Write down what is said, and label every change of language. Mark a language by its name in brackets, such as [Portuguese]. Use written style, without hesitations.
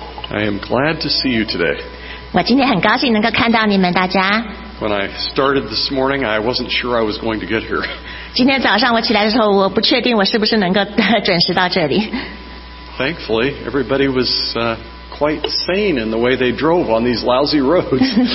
[English] I am glad to see you today. [Chinese] 我今天很高兴能够看到你们大家。 [English] When I started this morning, I wasn't sure I was going to get here. [Chinese] 今天早上我起来的时候，我不确定我是不是能够准时到这里。 [English] Thankfully, everybody was quite sane in the way they drove on these lousy roads.